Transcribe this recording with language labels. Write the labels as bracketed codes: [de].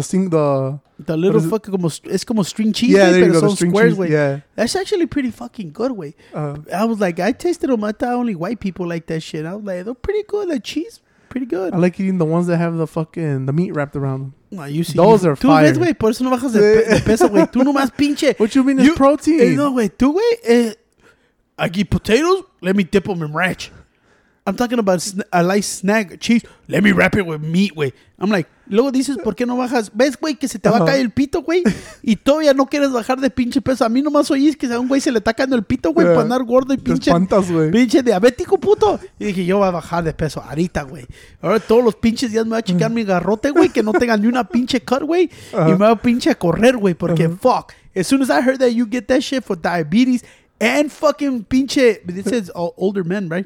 [en] The little fucking, it's [es] como string cheese, [en] yeah, but it's on squares, way. Yeah. That's actually pretty fucking good, way. I was like, I tasted them. I thought only white people like that shit. I was like, they're pretty good. The cheese, pretty good. I like eating the ones that have the fucking, the meat wrapped around them. Nah, you see, those are fire. [es] Tú, güey, por eso no bajas de peso, güey. Tú nomás pinche. [en] What you mean is protein? No, güey. Tú, güey, I get potatoes. Let me dip them in ranch. I'm talking about a light snack, cheese. Let me wrap it with meat, güey. I'm like, [es] luego dices, ¿por qué no bajas? ¿Ves, güey, que se te va a caer el pito, güey? Y todavía no quieres bajar de pinche peso. A mí nomás oís que a un güey se le está cayendo el pito, güey, para andar gordo y pinche. Te espantas, güey. Pinche diabético, puto. Y dije, yo voy a bajar de peso ahorita, güey. Ahora todos los pinches días me voy a chequear mi garrote, güey, que no tenga ni una pinche cut, güey. Y me voy a pinche a correr, güey, porque fuck. [en] As soon as I heard that you get that shit for diabetes... And fucking pinche, this is older men, right?